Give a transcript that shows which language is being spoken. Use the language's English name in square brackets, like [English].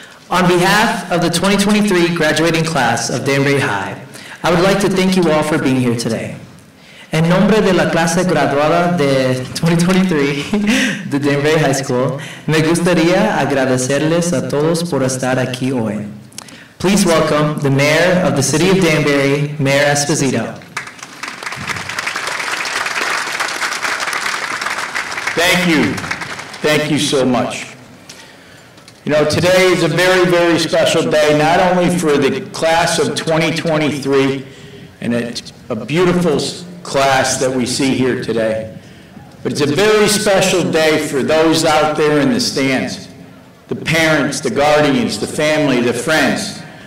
[English] On behalf of the 2023 graduating class of Danbury High, I would like to thank you all for being here today. [Spanish] En nombre de la clase graduada de 2023 de Danbury High School, me gustaría agradecerles a todos por estar aquí hoy. [English] Please welcome the mayor of the city of Danbury, Mayor Esposito. Thank you. Thank you so much. You know, today is a very, very special day, not only for the class of 2023, and it's a beautiful class that we see here today, but it's a very special day for those out there in the stands, the parents, the guardians, the family, the friends.